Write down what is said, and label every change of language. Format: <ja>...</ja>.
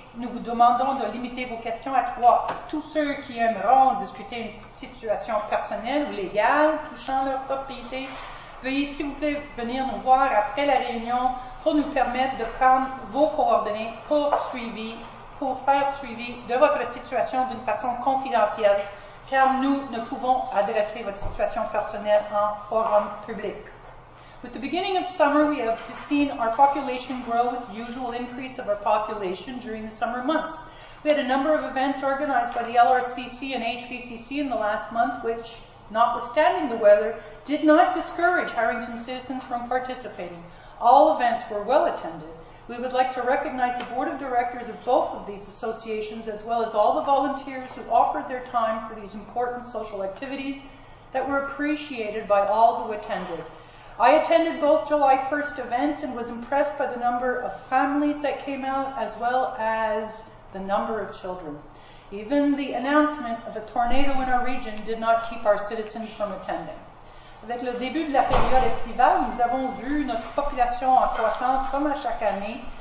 <fr>Nous vous demandons de limiter vos questions à 3. Tous ceux qui aimeront discuter une situation personnelle ou légale touchant leur propriété, veuillez s'il vous plaît venir nous voir après la réunion pour nous permettre de prendre vos coordonnées pour faire suivi de votre situation d'une façon confidentielle, car nous ne pouvons adresser votre situation personnelle en forum public.</fr> <en>With the beginning of summer, we have seen our population grow with the usual increase of our population during the summer months. We had a number of events organized by the LRCC and HVCC in the last month, which, notwithstanding the weather, did not discourage Harrington citizens from participating. All events were well attended. We would like to recognize the board of directors of both of these associations, as well as all the volunteers who offered their time for these important social activities that were appreciated by all who attended. I attended both July 1st events and was impressed by the number of families that came out, as well as the number of children. Even the announcement of a tornado in our region did not keep our citizens from attending.</en> <fr>Avec le début de la période estivale, nous avons vu notre population en croissance comme à chaque année.</fr>